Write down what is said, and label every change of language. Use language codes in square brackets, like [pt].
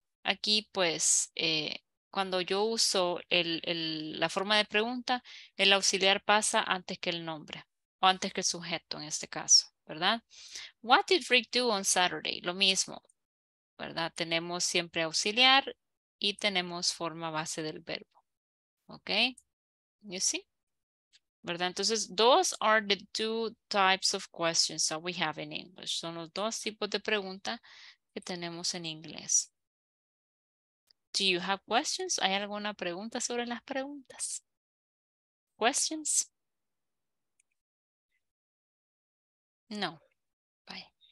[es] Aquí, pues, cuando yo uso la forma de pregunta, el auxiliar pasa antes que el nombre, o antes que el sujeto en este caso, ¿verdad? [en] What did Rick do on Saturday? [es] Lo mismo, ¿verdad? Tenemos siempre auxiliar y tenemos forma base del verbo. [en] ¿Ok? You see? ¿Verdad? Entonces, those are the two types of questions that we have in English. [es] Son los dos tipos de pregunta que tenemos en inglés. [en] Do you have questions? [es] ¿Hay alguna pregunta sobre las preguntas? Questions? No. Bye.